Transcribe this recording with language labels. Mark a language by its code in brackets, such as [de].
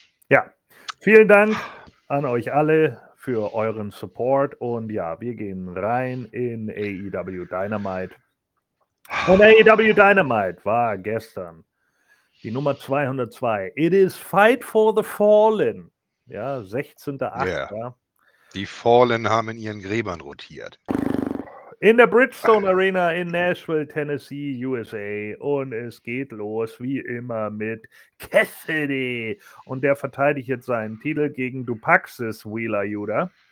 [de] Ja, vielen Dank an euch alle für euren Support. Und ja, wir gehen rein in AEW Dynamite. Und AEW Dynamite war gestern die Nummer 202. [en] It is Fight for the Fallen. [de] Ja, 16.8. Yeah. Die Fallen haben in ihren Gräbern rotiert. In der Bridgestone Arena in Nashville, Tennessee, USA. Und es geht los, wie immer, mit Cassidy. Und der verteidigt jetzt seinen Titel gegen Dupaxis, Wheeler Yuta.